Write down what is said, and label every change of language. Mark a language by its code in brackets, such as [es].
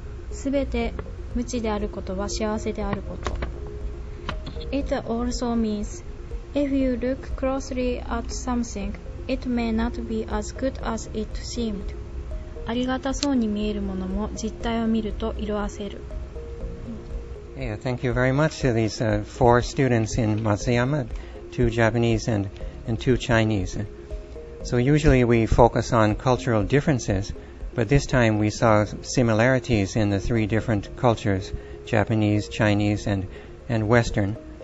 [ja] すべて無知であることは幸せであること。 [en] It also means if you look closely at something, it may not be as good as it seemed. [ja] ありがたそうに見えるものも実態を見ると色褪せる。 [en] Yeah, thank you very much to these、four students in Matsuyama, two Japanese and two Chinese. So usually we focus on cultural differences, but this time we saw similarities in the three different cultures, Japanese, Chinese, and Western.